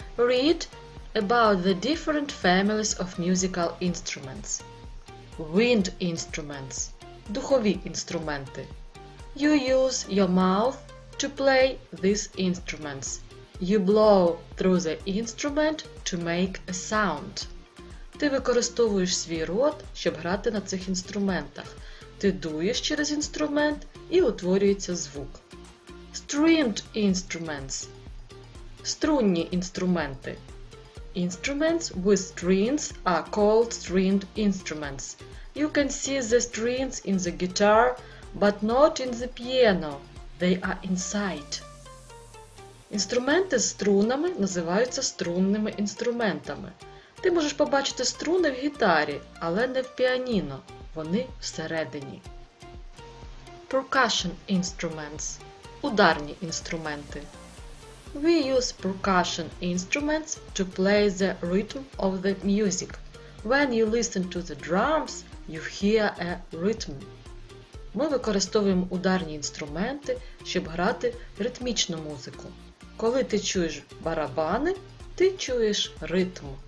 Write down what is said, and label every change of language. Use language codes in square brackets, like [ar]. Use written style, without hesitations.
[en] Read about the different families of musical instruments. Wind instruments. [uk] Духові інструменти. [en] You use your mouth to play these instruments. You blow through the instrument to make a sound. [uk] Ти використовуєш свій рот, щоб грати на цих інструментах. Ти дуєш через інструмент і утворюється звук. [en] Stringed instruments. [uk] Струнні інструменти. [en] Instruments with strings are called stringed instruments. You can see the strings in the guitar, but not in the piano. They are inside. [uk] Інструменти з струнами називаються струнними інструментами. Ти можеш побачити струни в гітарі, але не в піаніно. Вони всередині. [en] Percussion instruments [uk] – ударні інструменти. [en] We use percussion instruments to play the rhythm of the music. When you listen to the drums, you hear a rhythm. [uk] Ми використовуємо ударні інструменти, щоб грати ритмічну музику. Коли ти чуєш барабани, ти чуєш ритм.